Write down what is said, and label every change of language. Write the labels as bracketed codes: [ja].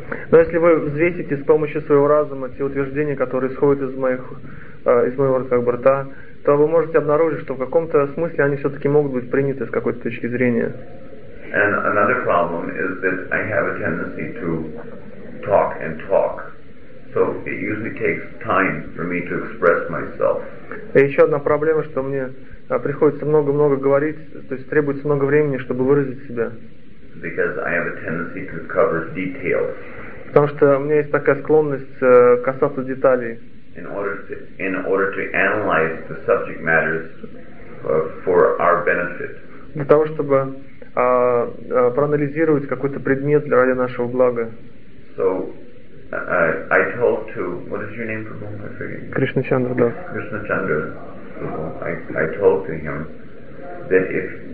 [ru] Но если вы взвесите с помощью своего разума те утверждения, которые исходят из моего как бы рта, то вы можете обнаружить, что в каком-то смысле они все-таки могут быть приняты с какой-то точки зрения. [en] And another problem is that I have a tendency to talk and talk. So it usually takes time for me to express myself. [ru] Еще одна проблема, что мне приходится много говорить, то есть требуется много времени, чтобы выразить себя. [en] Because I have a tendency to cover details. [ru] Потому что у меня есть такая склонность касаться деталей. [en] In order to analyze the subject matters for our benefit. [ru] Для того, чтобы проанализировать какой-то предмет для ради нашего блага. [en] So I told to, what is your name, Prabhu? I forget. Krishnachandra Das. Krishnachandra Prabhu. I told to him that if